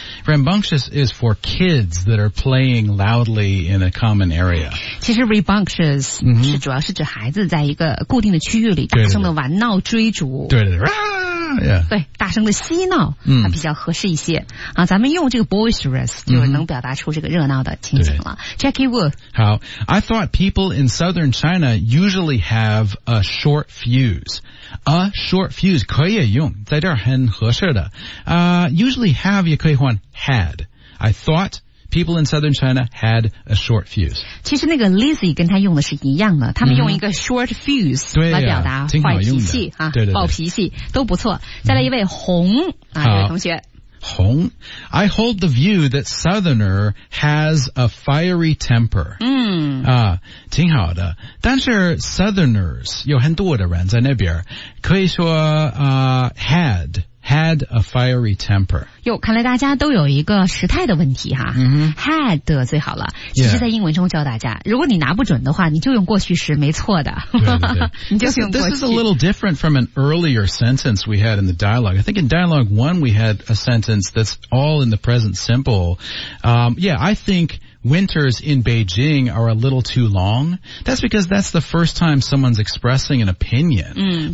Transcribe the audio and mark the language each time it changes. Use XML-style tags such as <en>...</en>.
<en>but rambunctious is for kids that are playing loudly in a common area.</en> <zh>其实 rambunctious、 mm-hmm. 是主要是指孩子在一个固定的区域里大声的玩闹追逐。对对对。对对对Yeah. 对，大声的嬉闹，嗯，比较合适一些、嗯、啊。咱们用这个 boisterous 就能表达出这个热闹的情景了。Jackie Wu，</zh> <en>好 ，I thought people in southern China usually have a short fuse. A short fuse</en> <zh>可以用，在这儿很合适的。</zh> <en>Usually have 也可以换 had. I thought. People in southern China had a short fuse.</en> <zh>其实那个 Lizzie 跟他用的是一样的，他们用一个 short fuse、嗯、对、啊、来表达坏脾气啊，对对对，暴脾气都不错。再来一位红、嗯、啊，这位同学。</zh> <en>红 I hold the view that southerner has a fiery temper. 嗯</en> <zh>啊，挺好的。但是 southerners 有很多的人在那边，可以说</zh> <en>had a fiery temper.</en> <zh>哟，看来大家都有一个时态的问题哈。嗯、 had 最好了。其实，在英文中教大家，</zh> <en>yeah.</en> <zh>如果你拿不准的话，你就用过去时，没错的。对对对你就用过去。</zh> <en>This is a little different from an earlier sentence we had in the dialogue. I think in dialogue one we had a sentence that's all in the present simple. I think. Winters in Beijing are a little too long. That's because that's the first time someone's expressing an opinion.、</en>